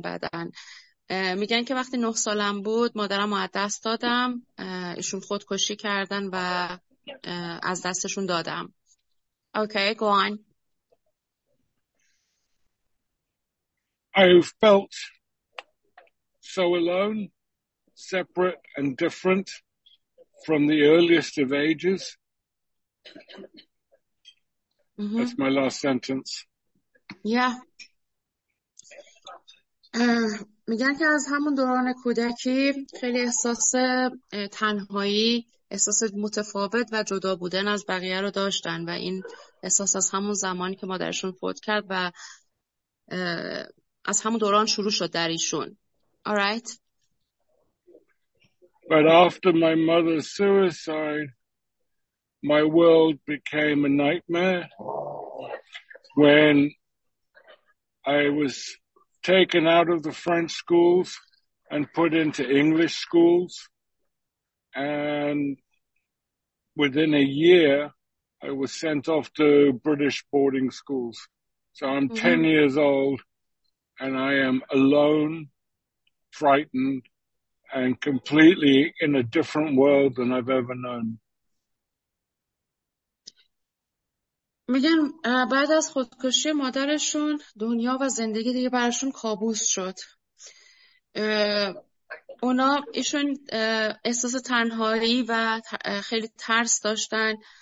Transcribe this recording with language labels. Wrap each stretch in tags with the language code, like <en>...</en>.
<fa>بعدن میگن که وقتی 9 سالم بود مادرم رو از دست دادم، ایشون خودکشی کردن و از دستشون دادم.</fa> <en>Okay, go on. I felt so alone, separate and different from the earliest of ages. Mm-hmm. That's my last sentence. Yeah.</en> <fa>میگن که از همون دوران کودکی خیلی احساس تنهایی، احساس متفاوت و جدا بودن از بقیه رو داشتن و این احساس از همون زمانی که مادرشون فوت کرد و از همون دوران شروع شد در ایشون.</fa> <en>All right. But after my mother's suicide, my world became a nightmare when I was taken out of the French schools and put into English schools. And within a year, I was sent off to British boarding schools. So I'm 10 years old. And I am alone, frightened, and completely in a different world than I've ever known.</en> <fa>میگن بعد از خودکشی مادرشون دنیا و زندگی دیگه براشون کابوس شد. اونا ایشون احساس تنهایی و خیلی ترس داشتن.</fa>